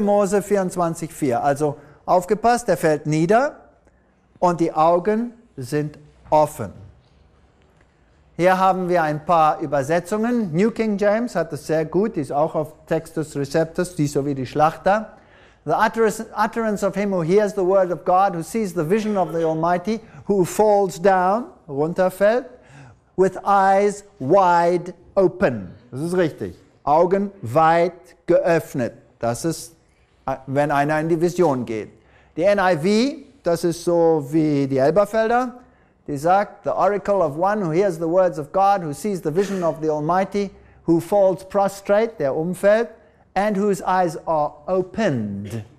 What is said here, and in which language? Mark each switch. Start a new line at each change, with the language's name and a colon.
German: Mose 24, 4. Also aufgepasst, er fällt nieder und die Augen sind offen. Hier haben wir ein paar Übersetzungen. New King James hat das sehr gut, die ist auch auf Textus Receptus, die so wie die Schlachter.
English: The utterance of him who hears the word of God, who sees the vision of the Almighty, who falls down,
German: runterfällt,
English: with eyes wide open.
German: Das ist richtig. Augen weit geöffnet. Das ist, wenn einer in die Vision geht. Die NIV, das ist so wie die Elberfelder, die sagt,
English: the oracle of one who hears the words of God, who sees the vision of the Almighty, who falls prostrate,
German: der umfällt,
English: and whose eyes are opened.